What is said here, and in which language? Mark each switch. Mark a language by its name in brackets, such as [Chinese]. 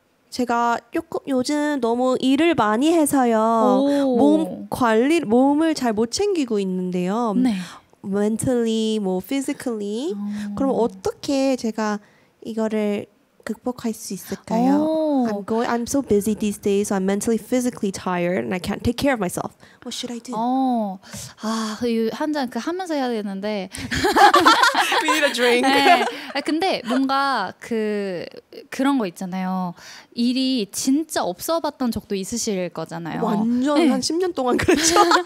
[Korean] 제가 요즘 너무 일을 많이 해서요. 몸 관리, 몸을 잘 못 챙기고 있는데요. 네. [English] Mentally, 뭐 physically. [Korean] 그럼 어떻게 제가 이거를 극복할 수 있을까요? [English] I'm so busy these days. So I'm mentally, physically tired and I can't take care of myself. What should I do? [Korean] 아, 한 잔 그 하면서 해야 되는데. [English] We need a drink. [Korean] 네. 아, 근데 뭔가 그런 거 있잖아요. 일이 진짜 없어봤던 적도 있으실 거잖아요. 완전 네. 한 10년 동안 그랬죠.